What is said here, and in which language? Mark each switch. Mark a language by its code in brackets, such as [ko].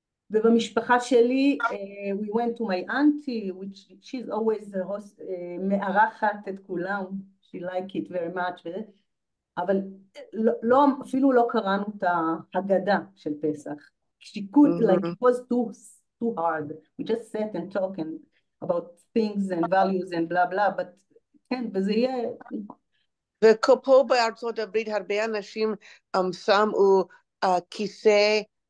[he] ובמשפחה שלי [en] we went to my auntie, which she's always the host, [he] מארחת את כולם, [en] she like it very much, [he] אבל לא, אפילו לא קראנו את ההגדה של פסח. [en] She could, like, it was too hard. We just sat and talked and about things and values and blah blah, but [he] כן, וזה יהיה... וכפה בארצות הברית הרבה אנשים שמו כיסא,